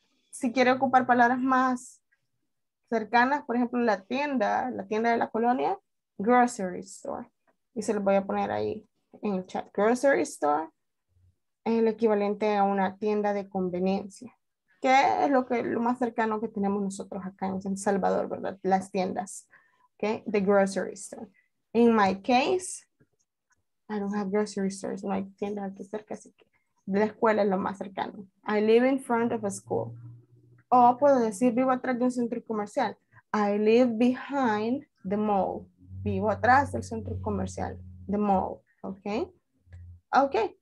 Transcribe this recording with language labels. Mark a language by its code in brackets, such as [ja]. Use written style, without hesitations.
[es] Si quiere ocupar palabras más cercanas, por ejemplo, la tienda de la colonia, grocery store. Y se lo voy a poner ahí en el chat. Grocery store es el equivalente a una tienda de conveniencia. ¿Qué es lo más cercano que tenemos nosotros acá en San Salvador, verdad? Las tiendas, [en] okay? The grocery store. In my case, I don't have grocery stores. [es] No hay tiendas aquí cerca, así que de la escuela es lo más cercano. [en] I live in front of a school. [es] O puedo decir, vivo atrás de un centro comercial. [en] I live behind the mall. [es] Vivo atrás del centro comercial. [en] The mall. Okay. Okay.